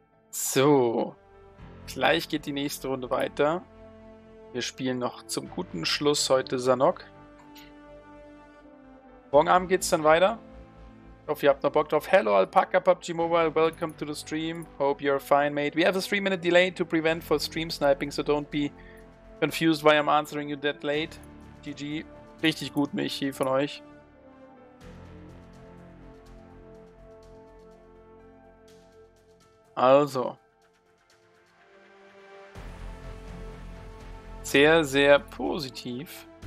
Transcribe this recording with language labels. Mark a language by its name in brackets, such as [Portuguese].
[German] So. Gleich geht die nächste Runde weiter. Wir spielen noch zum guten Schluss heute Sanok. Morgen Abend geht es dann weiter. Ich hoffe, ihr habt noch Bock drauf. [English] Hello, Alpaca PUBG Mobile. Welcome to the stream. Hope you're fine, mate. We have a 3-minute delay to prevent for stream sniping, so don't be confused why I'm answering you that late. GG. [German] Richtig gut, Michi, von euch. Also. Sehr, sehr positiv.